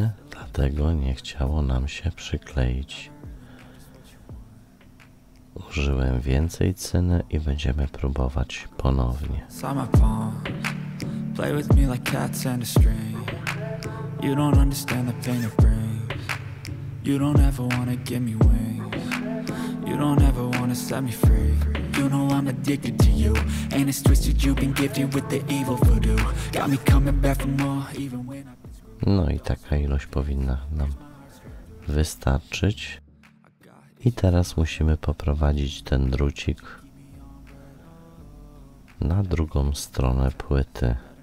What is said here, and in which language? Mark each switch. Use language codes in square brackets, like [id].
[pl] Dlatego nie chciało nam się przykleić. Użyłem więcej cyny i będziemy próbować ponownie. [en] Sama palm, play with me like cats and a string. You don't understand the pain it brings. You don't ever wanna give me wings. You don't ever wanna set me free. You know I'm addicted to you. And it's twisted, you've been gifted with the evil voodoo. Got me coming back for more, even when I. [pl] No i taka ilość powinna nam wystarczyć. I teraz musimy poprowadzić ten drucik na drugą stronę płyty.